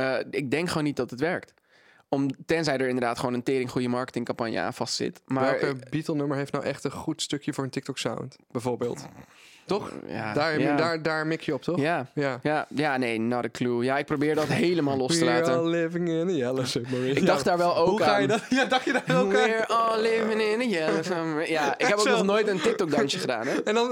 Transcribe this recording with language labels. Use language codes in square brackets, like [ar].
[nl] Ik denk gewoon niet dat het werkt. Tenzij er inderdaad gewoon een tering goede marketingcampagne aan vast zit. Maar, welke Beatle-nummer heeft nou echt een goed stukje voor een TikTok-sound? Bijvoorbeeld. Toch? Ja, daar mik je op, toch? Ja. Ja. [en] Nee, not a clue. [nl] Ja, ik probeer dat helemaal los te laten. [en] We're all living in a yellow submarine. [nl] Ik dacht daar wel ook aan. Hoe ga je aan. Dat? Ja, dacht je daar ook [en] We're [nl] aan? [en] We're all living in a yellow submarine. [nl] Ja, ik heb ook nog nooit een TikTok-dansje gedaan, hè?